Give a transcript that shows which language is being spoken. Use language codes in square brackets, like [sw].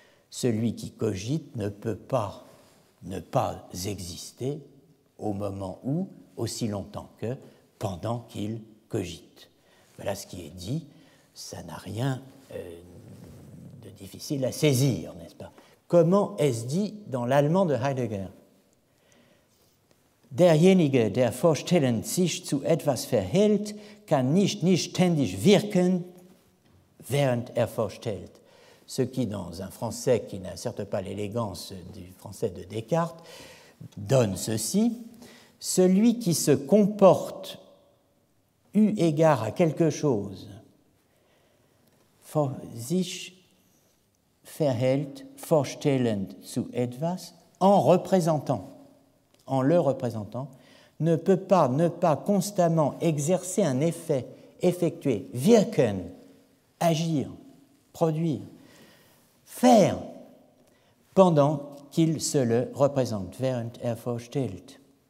[fr] Celui qui cogite ne peut pas ne pas exister au moment où, aussi longtemps que, pendant qu'il cogite. Voilà ce qui est dit. Ça n'a rien de difficile à saisir, n'est-ce pas? Comment est-ce dit dans l'allemand de Heidegger? [de] Derjenige, der vorstellend sich zu etwas verhält, kann nicht ständig wirken, während vorstellt. [fr] Ce qui, dans un français qui n'a certes pas l'élégance du français de Descartes, donne ceci. Celui qui se comporte eu égard à quelque chose, [de] sich verhält, vorstellend zu etwas, [fr] en représentant, en le représentant, ne peut pas ne pas constamment exercer un effet, effectuer, wirken, agir, produire, faire, pendant qu'il se le représente, [de] während vorstellt.